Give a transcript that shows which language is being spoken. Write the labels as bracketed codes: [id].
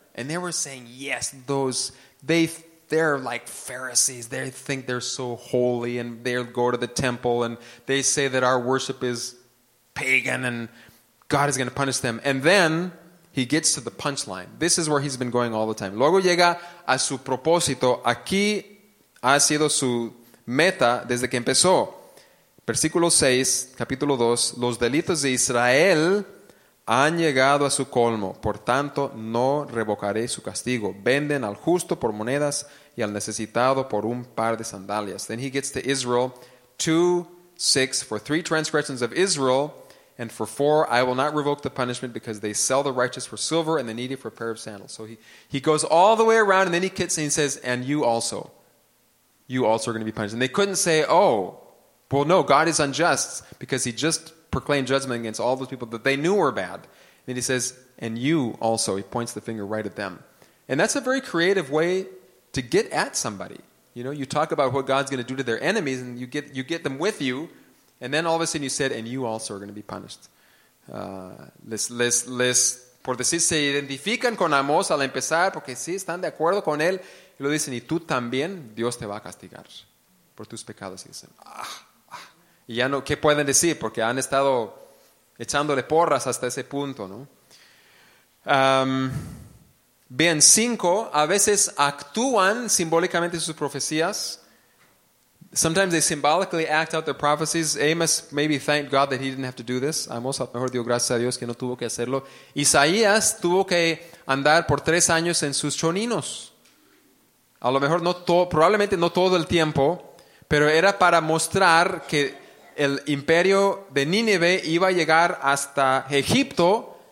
[en] And they were saying, yes, those, they're like Pharisees. They think they're so holy and they go to the temple and they say that our worship is pagan and God is going to punish them. And then he gets to the punchline. This is where he's been going all the time. [es] Luego llega a su propósito. Aquí ha sido su meta desde que empezó. Versículo 6, capítulo 2. Los delitos de Israel han llegado a su colmo, por tanto no revocaré su castigo. Venden al justo por monedas y al necesitado por un par de sandalias. [en] Then he gets to Israel, 2:6, for three transgressions of Israel, and for four, I will not revoke the punishment because they sell the righteous for silver and the needy for a pair of sandals. So he goes all the way around and then he gets and he says, and you also are going to be punished. And they couldn't say, oh, well, no, God is unjust because he just proclaimed judgment against all those people that they knew were bad. And he says, and you also. He points the finger right at them. And that's a very creative way to get at somebody. You know, you talk about what God's going to do to their enemies and you get them with you. And then all of a sudden you said, and you also are going to be punished. [es] Les, por decir, se identifican con Amos al empezar porque sí, están de acuerdo con él. Y lo dicen, y tú también, Dios te va a castigar por tus pecados. Y dicen, ah. Y ya no, ¿qué pueden decir? Porque han estado echándole porras hasta ese punto, ¿no? Bien, 5, a veces actúan simbólicamente sus profecías. [en] Sometimes they symbolically act out their prophecies. Amos maybe thanked God that he didn't have to do this. [es] Amos a lo mejor dio gracias a Dios que no tuvo que hacerlo. Isaías tuvo que andar por 3 años en sus choninos. A lo mejor probablemente no todo el tiempo, pero era para mostrar que el imperio de Nínive iba a llegar hasta Egipto.